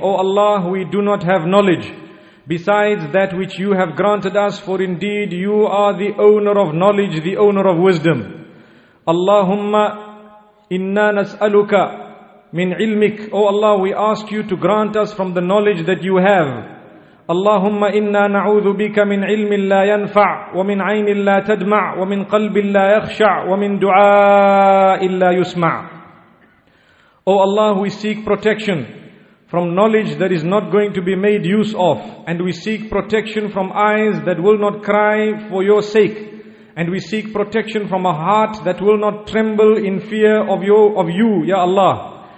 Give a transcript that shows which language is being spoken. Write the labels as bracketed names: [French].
[English] O Allah, we do not have knowledge besides that which you have granted us, for indeed you are the owner of knowledge, the owner of wisdom. [Arabic] Allahumma inna nas'aluka min 'ilmik. [English] O Allah, we ask you to grant us from the knowledge that you have. [Arabic] اللهم إنا نعوذ بك من علم لا ينفع ومن عين لا تدمع ومن قلب لا يخشع ومن دعاء لا يسمع. [English] O Allah, we seek protection from knowledge that is not going to be made use of, and we seek protection from eyes that will not cry for your sake, and we seek protection from a heart that will not tremble in fear of you, Ya Allah.